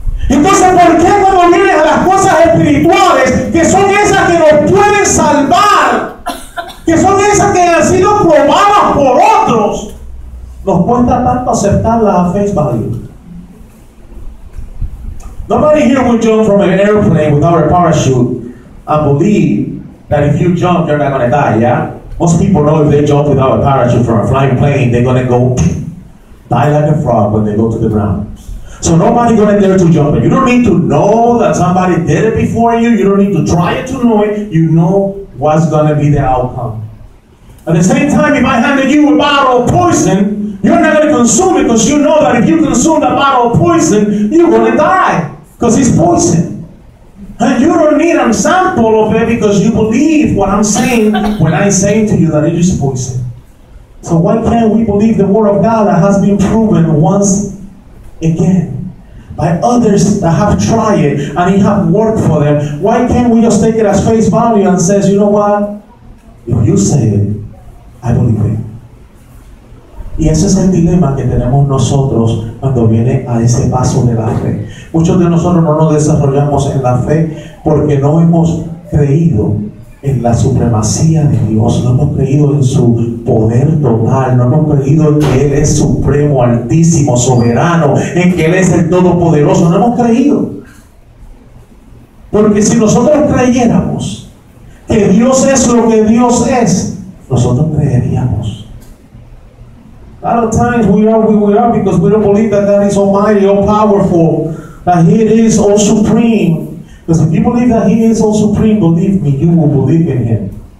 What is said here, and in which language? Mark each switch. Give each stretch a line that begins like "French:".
Spanish: Entonces, ¿por qué cuando vienes a las cosas espirituales, que son esas que nos pueden salvar, que son esas que han sido probadas por otros, nos cuesta tanto aceptar la fe válida?
English: Nobody here would jump from an airplane without a parachute and believe that if you jump, you're not going to die, yeah? Most people know if they jump without a parachute from a flying plane, they're going to go die like a frog when they go to the ground. So nobody going to dare to jump. You don't need to know that somebody did it before you. You don't need to try it to know it. You know what's going to be the outcome. At the same time, if I handed you a bottle of poison, you're not going to consume it because you know that if you consume that bottle of poison, you're going to die because it's poison. And you don't need a sample of it because you believe what I'm saying when I say to you that it is poison. So why can't we believe the word of God that has been proven once again by others that have tried it and it have worked for them? Why can't we just take it as face value and say, you know what? If you say it, I believe it.
Spanish: Y ese es el dilema que tenemos nosotros cuando viene a ese paso de la fe. Muchos de nosotros no nos desarrollamos en la fe porque no hemos creído en la supremacía de Dios, no hemos creído en su poder total, no hemos creído en que Él es supremo, altísimo, soberano, en que Él es el Todopoderoso, no hemos creído. Porque si nosotros creyéramos que Dios es lo que Dios es, nosotros creeríamos.
English: A lot of times we are where we are because we don't believe that God is almighty, all powerful, that He is all supreme. Because if you believe that He is all supreme, believe me, you will believe in Him.